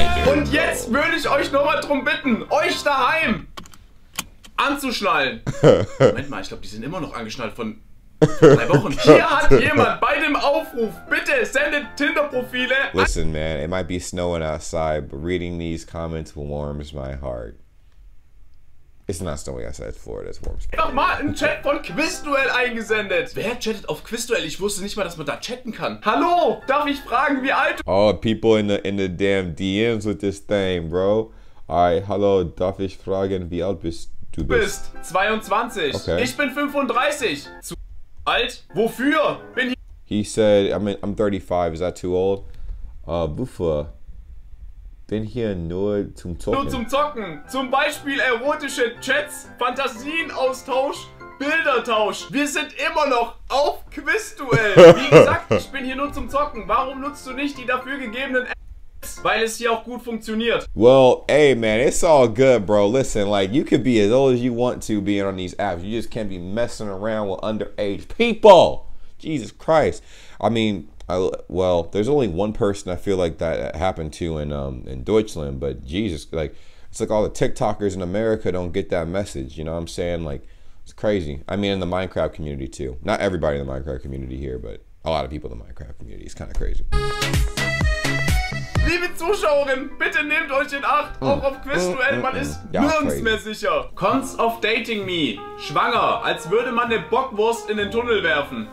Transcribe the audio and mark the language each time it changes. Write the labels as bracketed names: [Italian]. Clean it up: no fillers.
[German] Und jetzt würde ich euch nochmal drum bitten, euch daheim anzuschnallen. Moment mal, ich glaube, die sind immer noch angeschnallt von 3 Wochen. Hier hat jemand bei dem Aufruf, bitte sendet Tinder-Profile. [English] Listen, man, it might be snowing outside, but reading these comments warms my heart. It's not snowing outside, it's Florida, it warms my heart. [German] Einfach mal einen Chat von Quizduell eingesendet. Wer chattet auf Quizduell? Ich wusste nicht mal, dass man da chatten kann. Hallo, darf ich fragen, wie alt du... [English] Oh, people in the damn DMs with this thing, bro. Alright, [German] hallo, darf ich fragen, wie alt bist du? Du bist 22. Okay. Ich bin 35. Alt? Wofür? Bin [English] hier. He said, I'm 35. Is that too old? [German] Wofür? Bin hier nur zum Zocken. Nur zum Zocken. Zum Beispiel erotische Chats, Fantasienaustausch, Bildertausch. Wir sind immer noch auf Quizduell. Wie gesagt, ich bin hier nur zum Zocken. Warum nutzt du nicht die dafür gegebenen Apps? Weil es hier auch gut funktioniert. [English] Well, hey man, it's all good, bro. Listen, like, you can be as old as you want to being on these apps. You just can't be messing around with underage people. Jesus Christ. I mean, well, there's only one person I feel like that happened to in Deutschland, but Jesus, like, it's like all the TikTokers in America don't get that message, you know what I'm saying? Like, it's crazy. I mean, in the Minecraft community, too. Not everybody in the Minecraft community here, but a lot of people in the Minecraft community. It's kind of crazy. [German] Liebe Zuschauerin, bitte nehmt euch in Acht, auch auf Quizduell, man ist nirgends mehr sicher. [English] Cons of dating me, [German] schwanger, als würde man eine Bockwurst in den Tunnel werfen.